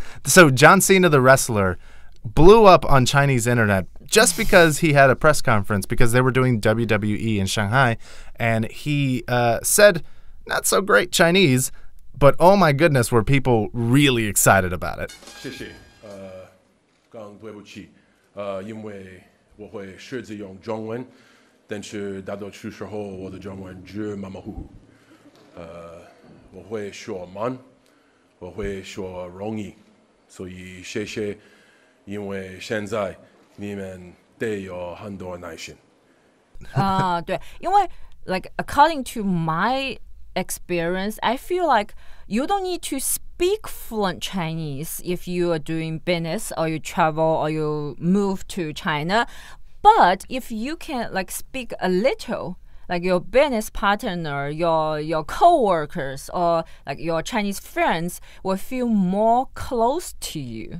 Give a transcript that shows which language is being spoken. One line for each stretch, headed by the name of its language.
English: So John Cena the wrestler blew up on Chinese internet just because he had a press conference because they were doing WWE in Shanghai, and he said not so great Chinese, but oh my goodness, were people really excited about it.
Chinese: 谢谢，刚对不起，因为我会学着用中文，但是大多数时候我的中文只马马虎虎，我会说慢，我会说容易，所以谢谢，因为现在你们得有很多耐心。对，因为
English: like according to my experience, I feel like you don't need to speak fluent Chinese if you are doing business or you travel or you move to China. But if you can like speak a little, like your business partner, your coworkers, or like your Chinese friends will feel more close to you.